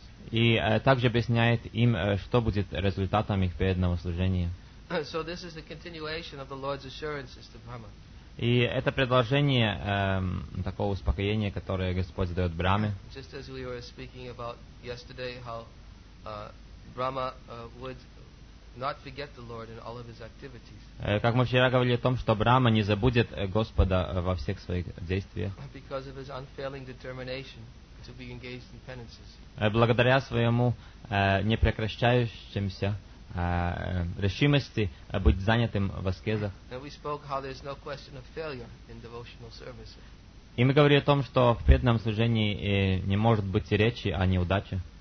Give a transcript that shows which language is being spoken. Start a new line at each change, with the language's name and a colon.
Russian: И также объясняет им, что будет результатом их преданного служения.
English: So this is the continuation of the Lord's assurances to Brahma.
Russian: И это продолжение такого успокоения, которое Господь дает Брахме.
English: Just as we were speaking about yesterday, how Brahma would not forget the Lord in all of his activities.
Russian: Как мы вчера говорили о том, что Брахма не забудет Господа во всех своих действиях.
English: Because of his unfailing determination to be engaged in penances.
Russian: Благодаря своему непрекращающемуся решимости быть занятым в аскезах. И мы говорили о том, что в преданном служении не может быть и речи о неудаче.